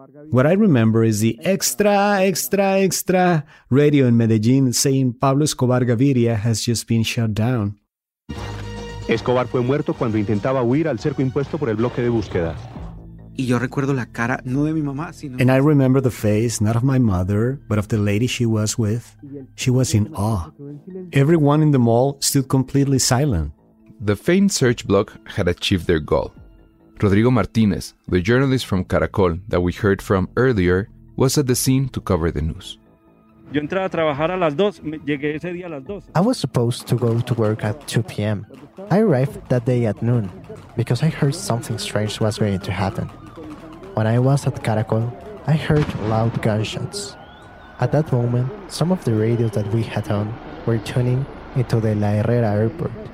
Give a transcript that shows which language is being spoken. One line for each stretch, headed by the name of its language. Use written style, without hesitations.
English: What I remember is the extra, extra, extra radio in Medellín saying Pablo Escobar Gaviria has just been shut down.
Spanish: Escobar fue muerto cuando intentaba huir al cerco impuesto por el bloque de búsqueda. Y yo recuerdo la cara, no de mi mamá, sino...
English: And I remember the face, not of my mother, but of the lady she was with. She was in awe. Everyone in the mall stood completely silent. The faint search block had achieved their goal. Rodrigo Martinez, the journalist from Caracol that we heard from earlier, was at the scene to cover the news.
Spanish: Yo entré a trabajar a las 2, llegué ese día a las 2.
English: I was supposed to go to work at 2 p.m. I arrived that day at noon because I heard something strange was going to happen. When I was at Caracol, I heard loud gunshots. At that moment, some of the radios that we had on were tuning into the La Herrera airport.